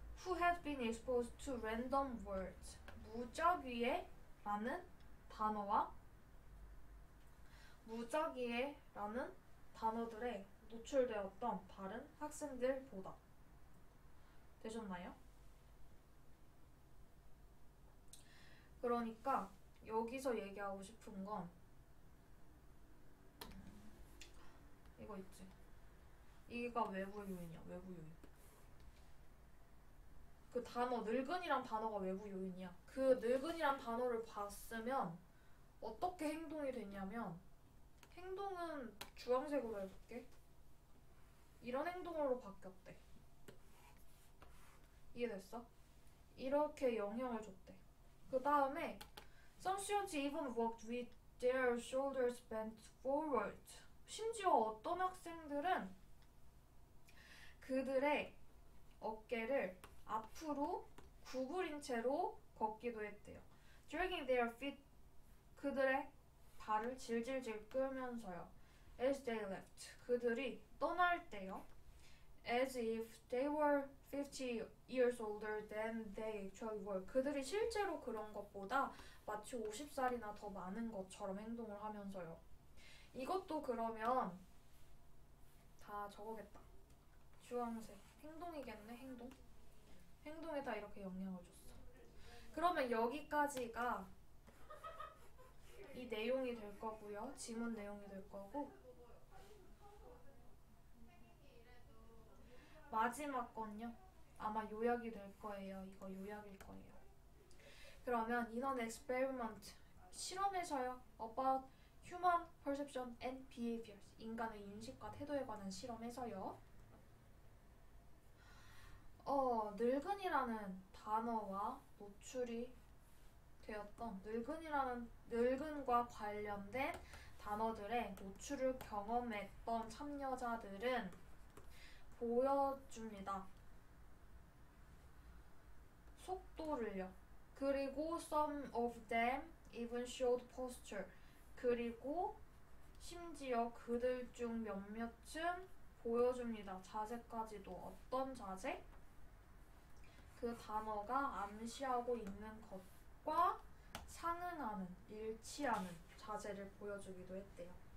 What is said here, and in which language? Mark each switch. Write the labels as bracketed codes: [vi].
[en] Who had been exposed to random words. [ko] 무작위에 라는 단어와 무작위에 라는 단어들에 노출되었던 다른 학생들보다. 되셨나요? 그러니까 여기서 얘기하고 싶은 건 이거 있지. 이게가 외부 요인이야. 외부 요인. 그 단어 늙은이란 단어가 외부 요인이야. 그 늙은이란 단어를 봤으면 어떻게 행동이 됐냐면, 행동은 주황색으로 해볼게. 이런 행동으로 바뀌었대. 이해됐어? 이렇게 영향을 줬대. 그 다음에 [en] Some students even walked with their shoulders bent forward. [ko] 심지어 어떤 학생들은 그들의 어깨를 앞으로 구부린 채로 걷기도 했대요. [en] Dragging their feet. [ko] 그들의 발을 질질질 끌면서요. [en] As they left. [ko] 그들이 떠날 때요. [en] As if they were 50 years older than they actually were. [ko] 그들이 실제로 그런 것보다 마치 50살이나 더 많은 것처럼 행동을 하면서요. 이것도 그러면 다 적어겠다. 주황색. 행동이겠네, 행동. 행동에 다 이렇게 영향을 줬어. 그러면 여기까지가 이 내용이 될 거고요. 지문 내용이 될 거고. 마지막 건요. 아마 요약이 될 거예요. 이거 요약일 거예요. [en] 그러면 in an experiment, [ko] 실험에서요. [en] About human perception and behaviors, [ko] 인간의 인식과 태도에 관한 실험에서요. 늙은이라는 단어와 노출이 되었던 늙은과 관련된 단어들의 노출을 경험했던 참여자들은 보여줍니다. 속도를요. 그리고 [en] some of them even showed posture. [ko] 그리고 심지어 그들 중 몇몇은 보여줍니다. 자세까지도 어떤 자세? 그 단어가 암시하고 있는 것과 상응하는, 일치하는 자세를 보여주기도 했대요.